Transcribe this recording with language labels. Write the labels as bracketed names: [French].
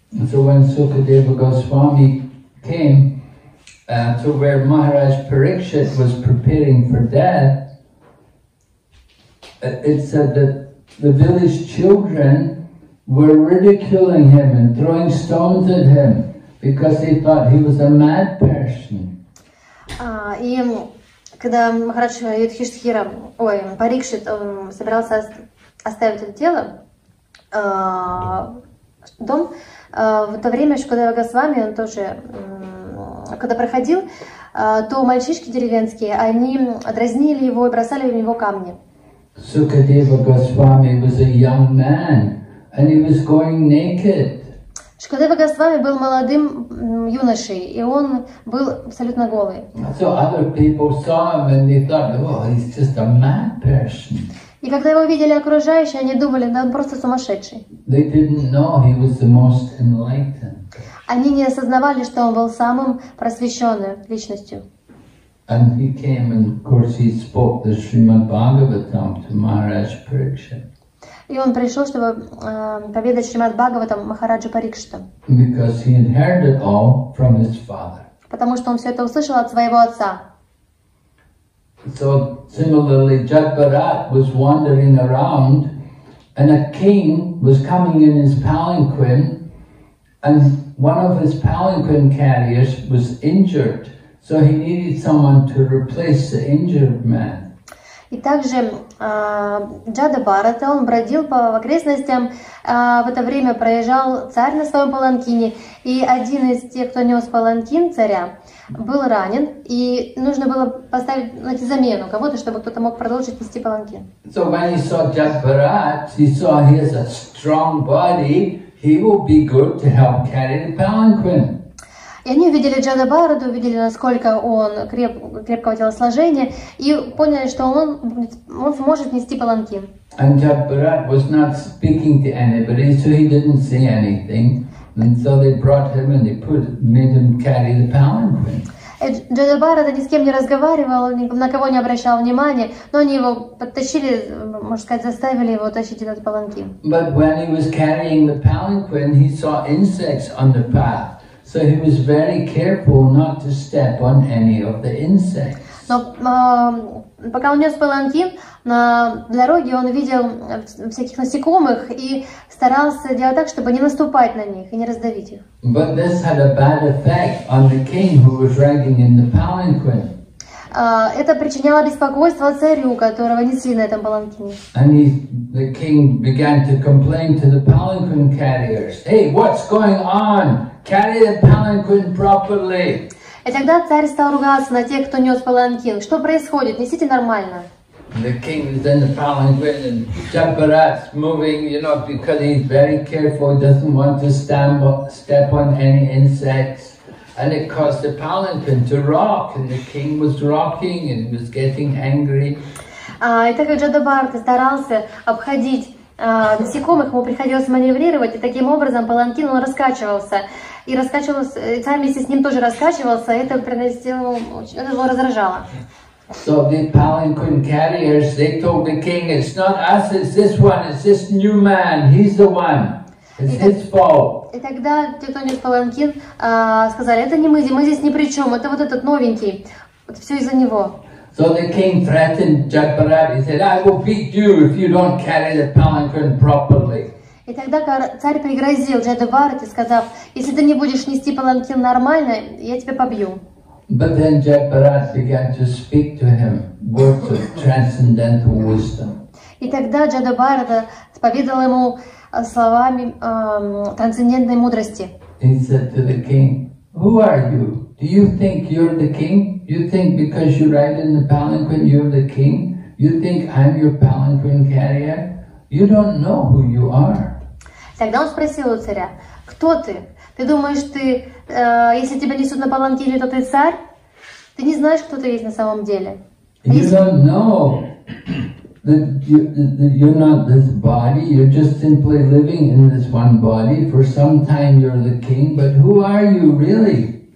[English] So when Sukadeva Goswami came to where Maharaj Parikshit was preparing for death, it said that the village children were ridiculing him and throwing stones at him. Because they thought he was a mad person. [Russian] И когда Махарадж Юдхиштхира, Парикшит, собирался оставить это тело, дом, в то время Шукадева Госвами, он тоже, когда проходил, то мальчишки деревенские, они дразнили его и бросали в него камни. [English] Sukadeva Goswami was a young man, and he was going naked. [Russian] Шукадева Госвами был молодым юношей, и он был абсолютно голый. [English] So other people saw him and they thought, oh, he's just a mad person. [Russian] И когда его видели окружающие, они думали, да, он просто сумасшедший. [English] They didn't know he was the most enlightened. [Russian] Они не осознавали, что он был самым просвещенным личностью. [English] And he came and, of course, he spoke the Srimad Bhagavatam to Maharaj Parikshit. [Russian] И он пришел, чтобы поведать Шримад Бхагаватам Махараджу Парикшита. [English] Because he inherited all from his father. [Russian] Потому что он все это услышал от своего отца. [English] So similarly, Jagbharat was wandering around, and a king was coming in his palanquin, and one of his palanquin carriers was injured, so he needed someone to replace the injured man. [Russian] И также Джадабарата, он бродил по окрестностям, в это время проезжал царь на своем паланкине, и один из тех, кто нес паланкин царя, был ранен, и нужно было поставить, найти замену кого-то, чтобы кто-то мог продолжить нести паланкин. [English] So when he saw Jagbharat, he saw he has a strong body, he will be good to help carry the palanquin. [Russian] И они увидели Джанабараду, увидели, насколько он крепкого телосложения, и поняли, что он сможет нести паланкин. [English] And Jagbharat was not speaking to anybody, so he didn't see anything. And so they brought him and they made him carry the palanquin. [Russian] Джанабарада ни с кем не разговаривал, ни на кого не обращал внимания, но они его подтащили, можно сказать, заставили его тащить этот паланкин. [English] But when he was carrying the palanquin, he saw insects on the path. So he was very careful not to step on any of the insects. [Russian] Но пока он нес паланкин, на дороге он видел всяких насекомых и старался делать так, чтобы не наступать на них и не раздавить их. [English] But this had a bad effect on the king who was riding in the palanquin. [Russian] Это причиняло беспокойство царю, которого несли на этом паланкине. [English] And the king began to complain to the palanquin carriers. Hey, what's going on? Carry the palanquin properly. [Russian] И тогда царь стал ругаться на тех, кто нес паланкин. Что происходит? Несите нормально. [English] The king is in the palanquin and Jagbharat's moving, you know, because he's very careful, he doesn't want to step on any insects. And it caused the palanquin to rock, and the king was rocking and was getting angry. [Russian] И так как Джадабарат старался обходить насекомых, ему приходилось маневрировать, и таким образом паланкин он раскачивался. И раскачивался, царь вместе с ним тоже раскачивался, и это приносило, это его раздражало. [English] So the palanquin carriers, they told the king, it's not us, it's this one, it's this new man, he's the one. It's his fault. [Russian] И тогда те, кто нес паланкин, сказали, это не мы, мы здесь ни при чем, это вот этот новенький, вот все из-за него. [English] So the king threatened Jagbharat. He said, "I will beat you if you don't carry the palanquin properly." [Russian] И тогда царь пригрозил Джадабарате, сказав, "Если ты не будешь нести паланкин нормально, я тебя побью." [English] But then Jagbharat began to speak to him words of transcendental wisdom. [Russian] И тогда Джадабарата поведал ему словами трансцендентной мудрости. [English] He said to the king, "Who are you? Do you think you're the king? You think because you ride in the palanquin you're the king? You think I'm your palanquin carrier? You don't know who you are." [Russian] Тогда он спросил у царя, кто ты? Ты думаешь, ты, если тебя несут на паланкине, то ты царь? Ты не знаешь, кто ты есть на самом деле? [English] You don't know that you're not this body. You're just simply living in this one body. For some time you're the king, but who are you really?